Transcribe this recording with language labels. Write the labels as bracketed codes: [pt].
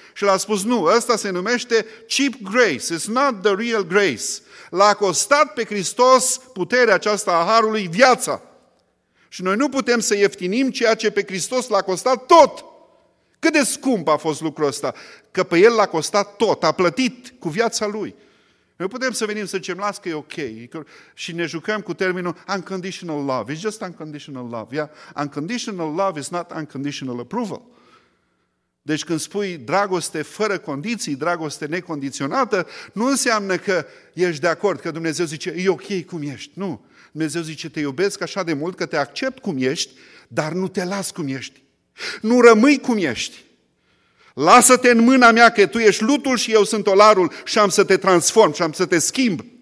[ro] Și l-a spus nu, ăsta se numește [en] cheap grace, it's not the real grace. [ro] L-a costat pe Hristos puterea aceasta a harului viața. Și noi nu putem să ieftinim ceea ce pe Hristos l-a costat tot. Cât de scump a fost lucrul ăsta? Că pe El l-a costat tot, a plătit cu viața Lui. Noi putem să venim să zicem, las că e ok. Și ne jucăm cu terminul unconditional love. [en] It's just unconditional love. Yeah? Unconditional love is not unconditional approval. [ro] Deci când spui dragoste fără condiții, dragoste necondiționată, nu înseamnă că ești de acord, că Dumnezeu zice, e ok cum ești. Nu. Dumnezeu zice, te iubesc așa de mult că te accept cum ești, dar nu te las cum ești. Nu rămâi cum ești. Lasă-te în mâna mea că tu ești lutul și eu sunt olarul și am să te transform și am să te schimb.